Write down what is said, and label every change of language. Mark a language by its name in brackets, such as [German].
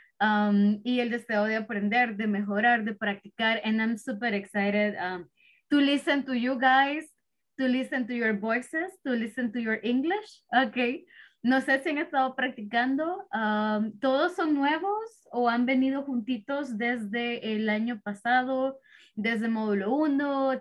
[Spanish] Y el deseo de aprender, de mejorar, de practicar. [English] And I'm super excited to listen to you guys, to listen to your voices, to listen to your English, okay? [Spanish] No sé si han estado practicando. ¿Todos son nuevos o han venido juntitos desde el año pasado, desde módulo 1?